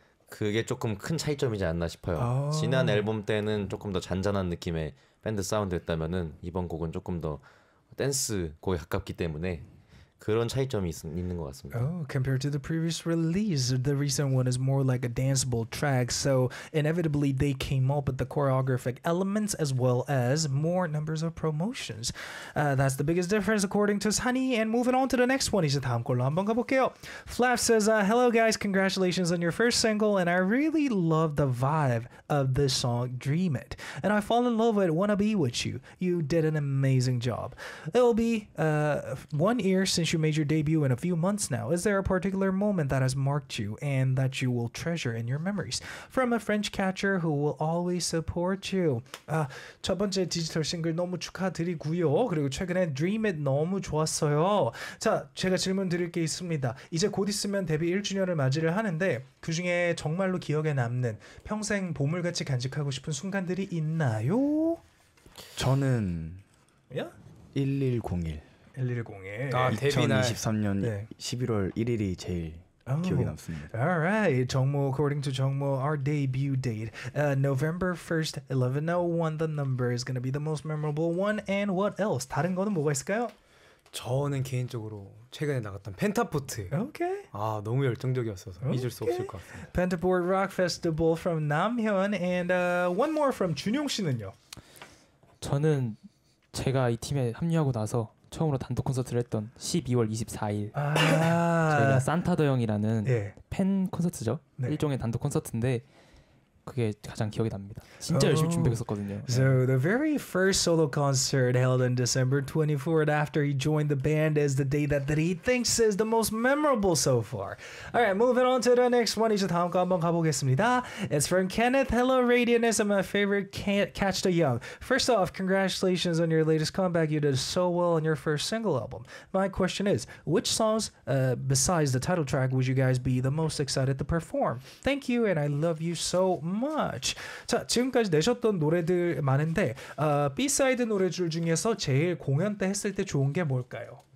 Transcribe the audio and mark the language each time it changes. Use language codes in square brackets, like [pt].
[ko] 그게 조금 큰 차이점이지 않나 싶어요. 지난 앨범 때는 조금 더 잔잔한 느낌의 밴드 사운드였다면은 이번 곡은 조금 더 댄스 곡에 가깝기 때문에. 그런 차이점이 있는 것 같습니다. [en] Oh, compared to the previous release, the recent one is more like a danceable track. So inevitably, they came up with the choreographic elements as well as more numbers of promotions. That's the biggest difference, according to Sunny. And moving on to the next one, [ko] 이제 다음 걸로 한번 가볼게요. [en] Flav says, "Hello guys, congratulations on your first single, and I really love the vibe of this song, Dream It. And I fall in love with Wanna Be With You. You did an amazing job. It'll be 1 year since." since you made your debut in a few months now, is there a particular moment that has marked you and that you will treasure in your memories? From a French catcher who will always support you. [ko] 첫 번째 디지털 싱글 너무 축하드리고요. 그리고 최근에 Dream It 너무 좋았어요. 자, 제가 질문 드릴 게 있습니다. 이제 곧 있으면 데뷔 1주년을 맞이를 하는데 그 중에 정말로 기억에 남는 평생 보물같이 간직하고 싶은 순간들이 있나요? 저는 [en] yeah? 1101 1101 [ko] 아, 2023년 네. 11월 1일이 제일 oh. 기억에 남습니다. [en] Alright, 정모, according to 정모, our debut date November 1st, 1101 The number is gonna be the most memorable one. And what else? [ko] 다른 거는 뭐가 있을까요? 저는 개인적으로 최근에 나갔던 펜타포트 [en] okay. [ko] 아 너무 열정적이었어서 okay. 잊을 수 없을 것 같아요. [en] Pentaport Rock Festival from 남현 and one more from [ko] 준용 씨는요? 저는 제가 이 팀에 합류하고 나서 처음으로 단독 콘서트를 했던 12월 24일 아~ 저희가 산타더 형이라는 예. 팬 콘서트죠. 네. 일종의 단독 콘서트인데 그게 가장 기억에 납니다. 진짜 oh. 열심히 준비했었거든요. [en] So the very first solo concert held on December 24th after he joined the band is the day that he thinks is the most memorable so far. Alright, moving on to the next one. [ko] 이제 다음 거 한번 가보겠습니다. [en] It's from Kenneth. Hello, Radiant. I'm my favorite Catch the Young. First off, congratulations on your latest comeback. You did so well on your first single album. My question is, which songs besides the title track would you guys be the most excited to perform? Thank you and I love you so much. Much. [ko] 자, 지금까지 내셨던 노래들 많은데 B사이드 노래들 중에서 제일 공연 때 했을 때 좋은 게 뭘까요?